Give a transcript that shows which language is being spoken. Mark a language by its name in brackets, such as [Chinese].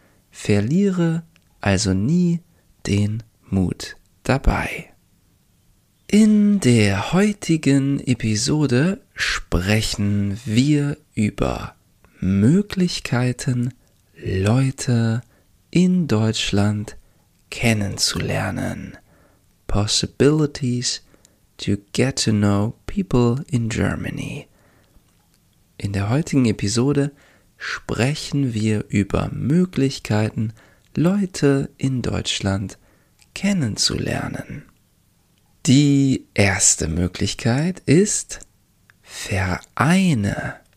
[German] Verliere also nie den Mut dabei. In der heutigen Episode sprechen wir über Möglichkeiten, Leute in Deutschland kennenzulernen. [English] Possibilities to get to know people in Germany. [German] In der heutigen Episode sprechen wir über Möglichkeiten, Leute in Deutschland kennenzulernen. Die erste Möglichkeit ist Vereine.